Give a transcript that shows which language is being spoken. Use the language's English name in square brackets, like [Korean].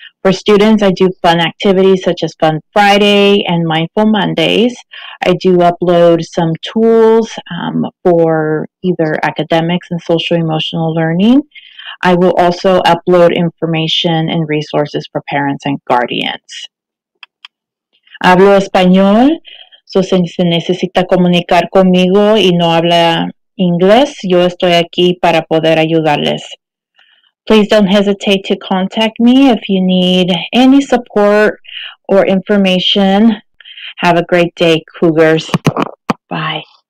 [English] For students, I do fun activities such as Fun Friday and Mindful Mondays. I do upload some tools for either academics and social-emotional learning. I will also upload information and resources for parents and guardians. [Spanish] Hablo español, so si se necesita comunicar conmigo y no habla inglés, yo estoy aquí para poder ayudarles. [English] Please don't hesitate to contact me if you need any support or information. Have a great day, Cougars. Bye.